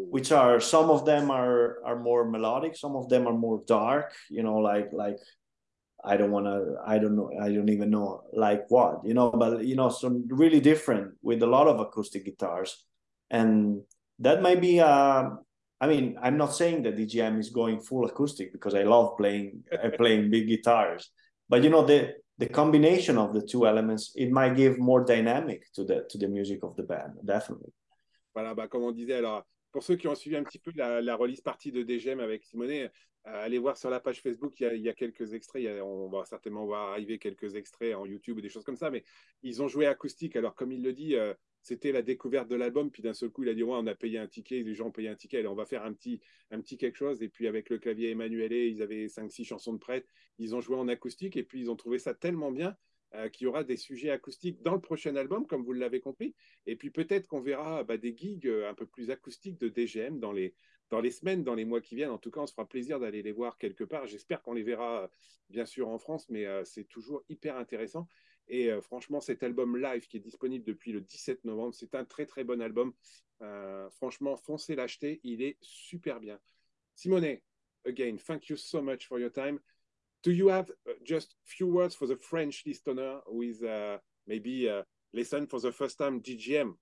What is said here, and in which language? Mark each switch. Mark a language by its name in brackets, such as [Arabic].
[English] which are some of them are more melodic, some of them are more dark, like I don't wanna, I don't know, I don't even know like what, but some really different with a lot of acoustic guitars. And that might be I mean, I'm not saying that DGM is going full acoustic because I love playing big guitars, but the combination of the two elements, it might give more dynamic to the music of the band, definitely. [French] Voilà, bah, comme on disait, alors pour ceux qui ont suivi un petit peu la release partie de DGM avec Simonet, allez voir sur la page Facebook, il y a quelques extraits. On va certainement voir arriver quelques extraits en YouTube ou des choses comme ça. Mais ils ont joué acoustique. Alors, comme il le dit, c'était la découverte de l'album. Puis d'un seul coup, il a dit, ouais, on a payé un ticket, les gens ont payé un ticket, alors on va faire un petit quelque chose. Et puis avec le clavier Emmanuelle, ils avaient 5-6 chansons de prêtes. Ils ont joué en acoustique et puis ils ont trouvé ça tellement bien. Qu'il y aura des sujets acoustiques dans le prochain album, comme vous l'avez compris. Et puis peut-être qu'on verra bah, des gigs un peu plus acoustiques de DGM dans les semaines, dans les mois qui viennent. En tout cas, on se fera plaisir d'aller les voir quelque part. J'espère qu'on les verra, bien sûr, en France, mais c'est toujours hyper intéressant. Et franchement, cet album live qui est disponible depuis le 17 novembre, c'est un très, très bon album. Franchement, foncez l'acheter, il est super bien. [English] Simonet, again, thank you so much for your time. Do you have just few words for the French listener with maybe listen for the first time DGM?